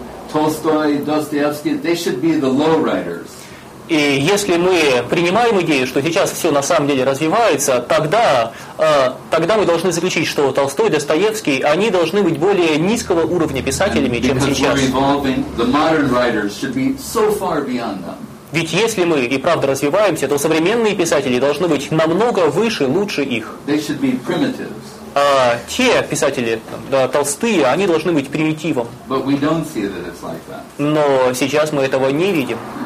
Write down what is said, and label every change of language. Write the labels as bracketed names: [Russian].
[English] Tolstoy, Dostoevsky, they should be the low writers. [Russian] И если мы принимаем идею, что сейчас все на самом деле развивается, тогда мы должны заключить, что Толстой, Достоевский, они должны быть более низкого уровня писателями, чем сейчас. [English] Because we're evolving, the modern writers should be so far beyond them. [Russian] Ведь если мы и правда развиваемся, то современные писатели должны быть намного выше, лучше их. [English] They should be primitives. [Russian] А те писатели, да, толстые, они должны быть примитивом. Но сейчас мы этого не видим.